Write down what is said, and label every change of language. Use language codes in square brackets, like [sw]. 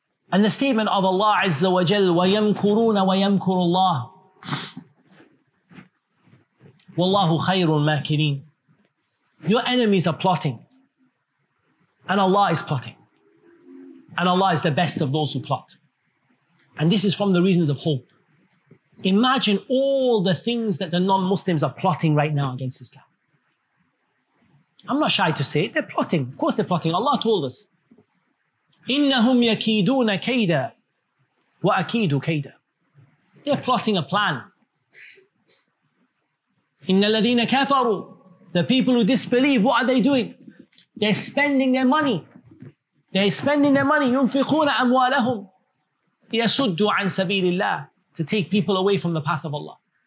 [en] And the statement of Allah Azza wa Jal, [ar] وَيَمْكُرُونَ وَيَمْكُرُ اللَّهُ وَاللَّهُ خَيْرُ الْمَاكِرِينَ [en] Your enemies are plotting. And Allah is plotting. And Allah is the best of those who plot. And this is from the reasons of hope. Imagine all the things that the non-Muslims are plotting right now against Islam. I'm not shy to say it. They're plotting. Of course they're plotting. Allah told us. [ar] إِنَّهُمْ يَكِيدُونَ كَيْدًا وَأَكِيدُ كَيْدًا [en] They're plotting a plan. [ar] إِنَّ الَّذِينَ كَفَرُوا [en] The people who disbelieve, what are they doing? They're spending their money. They're spending their money. [ar] يُنْفِقُونَ أَمْوَالَهُمْ يَسُدُّ عَن سَبِيلِ اللَّهِ [en] To take people away from the path of Allah.